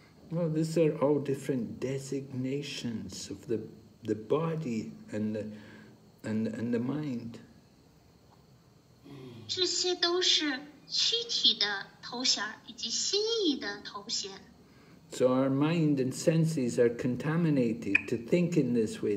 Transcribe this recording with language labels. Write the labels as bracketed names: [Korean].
[English] Well, these are all different designations of the body and the mind. [Chinese] 这些都是躯体的头衔以及心意的头衔。 [English] So our mind and senses are contaminated to think in this way.